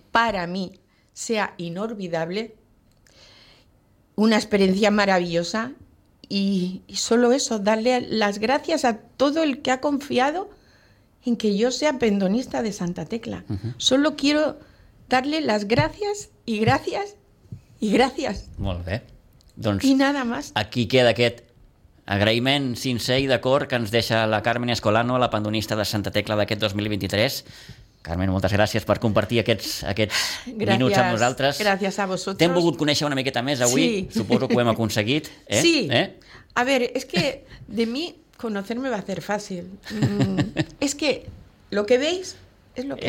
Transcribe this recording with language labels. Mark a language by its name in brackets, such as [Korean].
[Spanish] para mí sea inolvidable, una experiencia maravillosa y solo eso, darle las gracias a todo el que ha confiado en que yo sea pendonista de Santa Tecla. Solo quiero darle las gracias y gracias y gracias. [Catalan] Molt bé. Doncs i [Spanish] nada más. [Catalan] Aquí queda aquest agraïment sincer i d'acord que ens deixa la Carmen Escolano, la pendonista de Santa Tecla d'aquest 2023. Carmen, moltes gràcies per compartir aquests gràcies, minuts amb nosaltres. Gràcies a vosaltres. T'hem volgut conèixer una miqueta més avui. Sí. Suposo que ho hem aconseguit. Eh? Sí. Eh? [Spanish] A ver, es que de mí conocerme va a ser fácil. Es que lo que veis es lo que